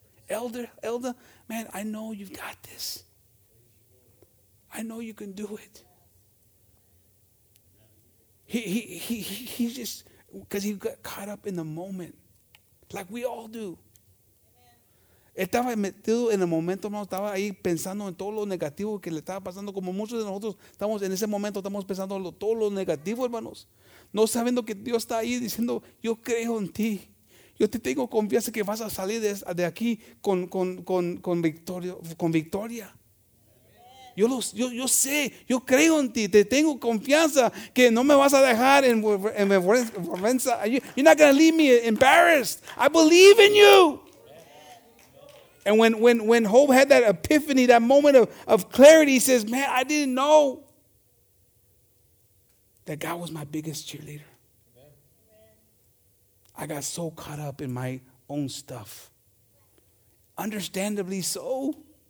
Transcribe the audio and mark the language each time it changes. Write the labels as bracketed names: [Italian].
[English] Elder, man, I know you've got this. I know you can do it. He's just, because he got caught up in the moment, like we all do. [Spanish] Estaba metido en el momento, hermano. Estaba ahí pensando en todo lo negativo que le estaba pasando. Como muchos de nosotros estamos en ese momento, estamos pensando en todo lo negativo, hermanos. No sabiendo que Dios está ahí diciendo, yo creo en ti. Yo te tengo confianza que vas a salir de aquí con victoria. Yo sé, yo creo en ti. Te tengo confianza que no me vas a dejar en vergüenza. [English] You're not going to leave me embarrassed. I believe in you. And when Hope had that epiphany, that moment of clarity, he says, man, I didn't know that God was my biggest cheerleader. I got so caught up in my own stuff. Understandably so.